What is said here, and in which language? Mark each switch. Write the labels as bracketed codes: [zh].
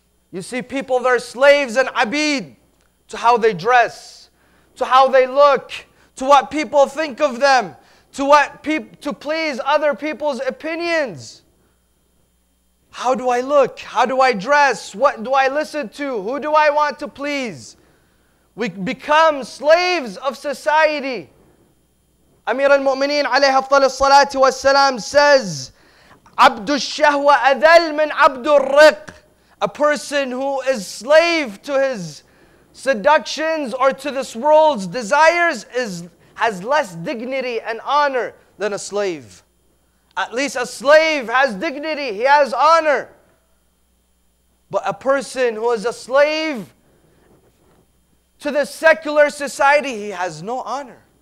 [en] You see people, they're slaves and abid to how they dress, to how they look, to what people think of them, to please other people's opinions. How do I look? How do I dress? What do I listen to? Who do I want to please? We become slaves of society. Amir al-Mu'mineen alayhi afdal as-salatu was-salam says, [ar] عبد الشهوة أذل من عبد الرق. [en] A person who is slave to his seductions or to this world's desires has less dignity and honor than a slave. At least a slave has dignity, he has honor. But a person who is a slave to the secular society, he has no honor.